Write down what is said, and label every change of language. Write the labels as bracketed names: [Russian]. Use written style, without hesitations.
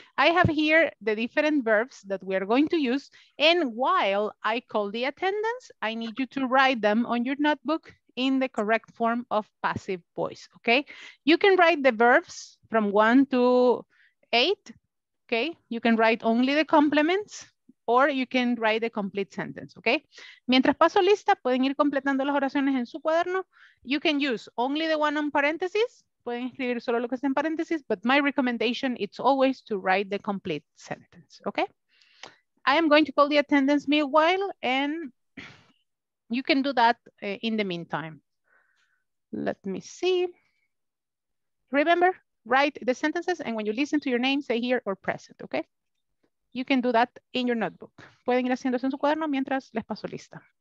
[English] I have here the different verbs that we are going to use. And while I call the attendance, I need you to write them on your notebook in the correct form of passive voice, okay? You can write the verbs from 1 to 8, okay? You can write only the complements, or you can write a complete sentence, okay? [Spanish] Mientras paso lista, pueden ir completando las oraciones en su cuaderno. [English] You can use only the one on parentheses. [Spanish] Pueden escribir solo lo que está en paréntesis, [English] but my recommendation, it's always to write the complete sentence, okay? I am going to call the attendance meanwhile, and you can do that in the meantime. Let me see. Remember, write the sentences, and when you listen to your name, say here or present, okay? You can do that in your notebook. [Spanish] Pueden ir haciendo eso en su cuaderno mientras les paso lista.